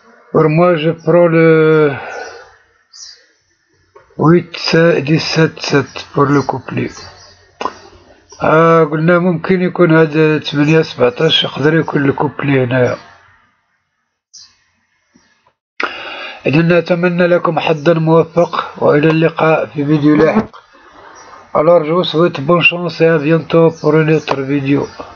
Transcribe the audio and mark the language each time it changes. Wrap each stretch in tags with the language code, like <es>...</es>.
<fr>Pour moi, je prends le 8, 7, 17, 7 pour le couplet.</fr> <ar>قلنا ممكن يكون هذا 8 17، يقدر يكون الكوبلي هنايا. إذن نتمنى لكم حظا موفق وإلى اللقاء في فيديو لاحق.</ar> <fr>Alors je vous souhaite bonne chance et à bientôt pour une autre vidéo.</fr>